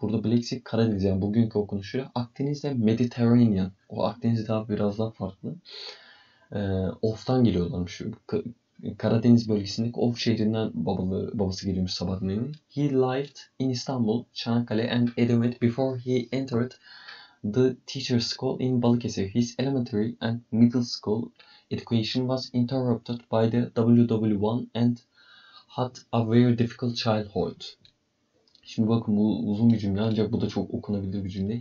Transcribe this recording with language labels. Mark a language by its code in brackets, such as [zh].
[tr] Burada Black Sea Karadeniz, yani bugünkü okunuşuyla Akdeniz'de Mediterranean. O Akdeniz daha biraz daha farklı. Of'tan geliyorlarmış. Karadeniz bölgesindeki Of şehrinden babası geliyormuş Sabahattin Ali'nin. [en] He lived in Istanbul, Çanakkale and Edremit before he entered the teacher's school in Balıkesir. His elementary and middle school education was interrupted by the WW1 and had a very difficult childhood. [tr] Şimdi bakın, bu uzun bir cümle, ancak bu da çok okunabilir bir cümle.